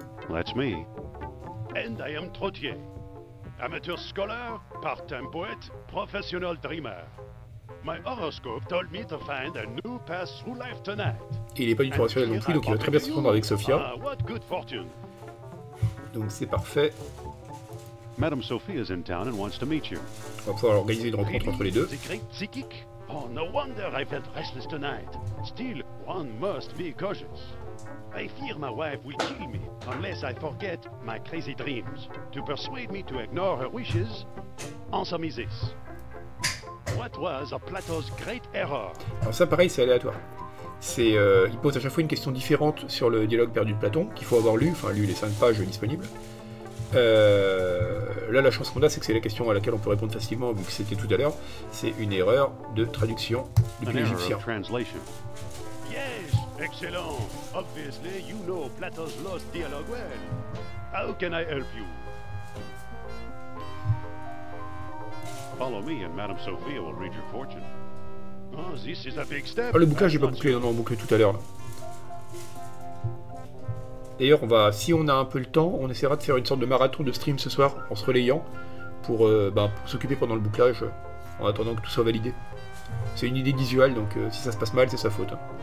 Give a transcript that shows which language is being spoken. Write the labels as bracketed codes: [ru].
[en] That's me. And I am Trottier. Amateur scholar, part-time poet, professional dreamer. My horoscope told me to find a new path through life tonight. [fr] Il est pas du tout rationnel non plus, donc il va très bien se prendre avec Sophia. [en] Ah, what good fortune. [fr] Donc c'est parfait. [en] Madame Sophia is in town and wants to meet you. [fr] On va pouvoir organiser une rencontre entre les deux. [en] The great psychic? Oh, no wonder I felt restless tonight. Still, one must be cautious. I fear my wife will kill me unless I forget my crazy dreams. To persuade me to ignore her wishes, answer me this. What was a Plato's great error? [fr] Alors ça pareil, c'est aléatoire. C'est, il pose à chaque fois une question différente sur le dialogue perdu de Platon, qu'il faut avoir lu, enfin lu les 5 pages disponibles. Là, la chance qu'on a, c'est que c'est la question à laquelle on peut répondre facilement, vu que c'était tout à l'heure. C'est une erreur de traduction depuis l'égyptien. [en] Yes, excellent. Obviously, you know Plato's lost dialogue well. How can I help you? Follow me and Madame Sophia will read your fortune. Oh, this is a big step. [fr] Ah, le bouquin, j'ai pas bouclé, non, on bouclé tout à l'heure. Là. D'ailleurs, si on a un peu le temps, on essaiera de faire une sorte de marathon de stream ce soir en se relayant pour s'occuper pendant le bouclage en attendant que tout soit validé. C'est une idée visuelle, donc si ça se passe mal, c'est sa faute.